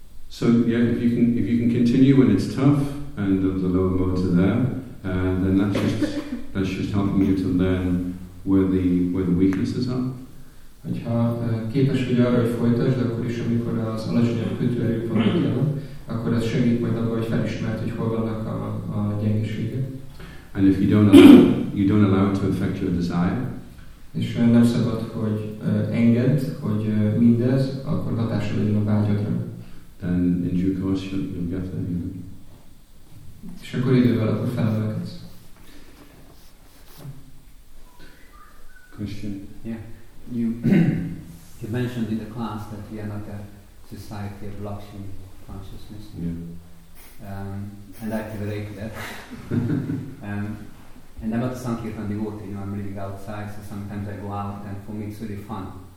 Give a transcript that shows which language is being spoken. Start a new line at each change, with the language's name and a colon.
English: So yeah, if you can continue when it's tough, and of the lower motor there, and then that's just helping you to learn where the weaknesses are.
Hungarian: Hogyha képes vagy arra, hogy folytasd, akkor is, amikor az alacsonyabb kötőerő pontja, akkor ez segít majd abban, hogy felismerd, hogy hol vannak a gyengeségek.
English: And if you don't allow it to affect your desire.
Hungarian: És nem szabad, hogy engedd, hogy mindez, akkor hatása legyen a vágyadra.
English: Then in due course you'll get there. You know.
Hungarian: És akkor idővel akkor felemelkedsz.
English: Question. Yeah. You mentioned in the class that we are not a society of Lakshmi consciousness. Yeah. And I can relate to that. and I'm not a Sankirtan devotee, you know, I'm living outside, so sometimes I go out and for me it's really fun.